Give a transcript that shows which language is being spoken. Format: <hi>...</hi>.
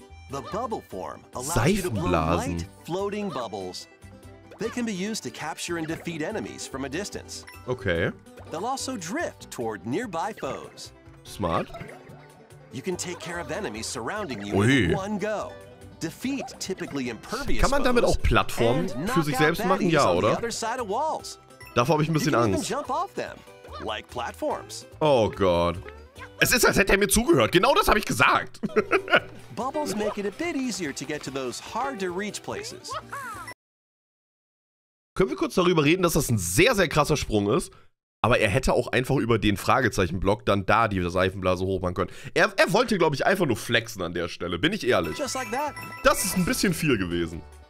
<en>The bubble form allows you to blow light floating bubbles. They can be used to capture and defeat enemies from a distance. Okay. They'll also drift toward nearby foes. Smart. You can take care of enemies surrounding you in one go. Defeat typically impervious.</en> <de>Kann man damit auch Plattformen für sich selbst machen? Ja, oder? Davor habe ich ein bisschen Angst.</de> <en>You can even jump off them, like platforms.</en> <de>Oh Gott. Es ist, als hätte er mir zugehört. Genau das habe ich gesagt. Bubbles make it a bit easier to get to those hard to reach places. Können wir kurz darüber reden, dass das ein sehr, sehr krasser Sprung ist? Aber er hätte auch einfach über den Fragezeichenblock dann da die Seifenblase hochmachen können. Er wollte, glaube ich, einfach nur flexen an der Stelle. Bin ich ehrlich? Das ist ein bisschen viel gewesen.</de>